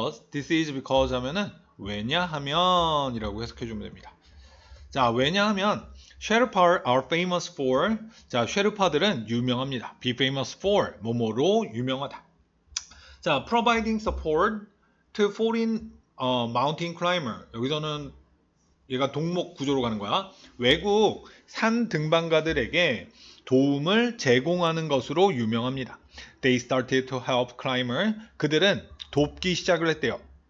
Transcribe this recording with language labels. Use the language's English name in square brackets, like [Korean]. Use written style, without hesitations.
[English] This is because [Korean] 하면은 왜냐하면이라고 해석해 주면 됩니다. 자, 왜냐하면 [English] Sherpa are famous for. [Korean] 자, 쉐르파들은 유명합니다. [English] Be famous for [Korean] 뭐뭐로 유명하다. 자, [English] providing support to foreign mountain climber. [Korean] 여기서는 얘가 동목 구조로 가는 거야. 외국 산 등반가들에게 도움을 제공하는 것으로 유명합니다. [English] They started to help climber. [Korean] 그들은 돕기 시작을 했대요.